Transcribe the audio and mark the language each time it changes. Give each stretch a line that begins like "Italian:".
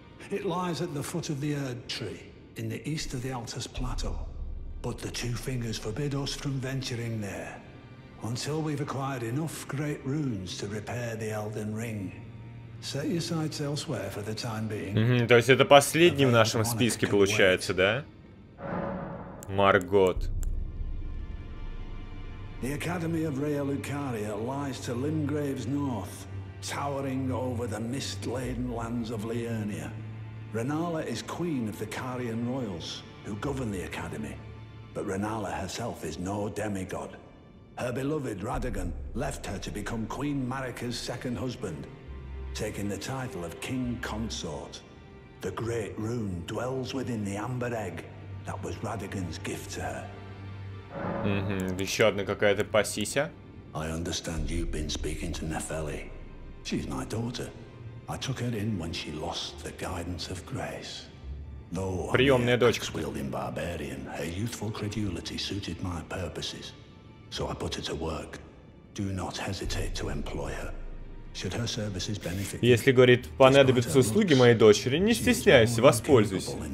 English: It lies at the foot of the Erd Tree, in the east of the Altus Plateau. But the Two Fingers forbid us from venturing there, until we've acquired enough great runes to repair the Elden Ring. Set your sights elsewhere for the time being.
Russian: То есть это последний в нашем списке получается, да?
English: Morgoth. The Academy of Rhea Lucaria lies to Lindgrave's north, towering over the mist-laden lands of Liurnia. Renala is queen of the Carian royals, who govern the Academy. But Renala herself is no demigod. Her beloved Radagon left her to become Queen Marika's second husband, taking the title of King Consort. The great rune dwells within the amber egg that was Radagon's gift to her.
Russian: Еще одна какая-то пасися.
English: I understand you've been speaking to Nefeli. She's my daughter. I took her in when she lost the guidance of grace. Though a mere axe-wielding barbarian, her youthful credulity suited my purposes. So I put her to work. Do not hesitate to employ her. Should her services benefit you?
Russian: Если, говорит, понадобятся услуги моей дочери, не стесняйся, воспользуйся.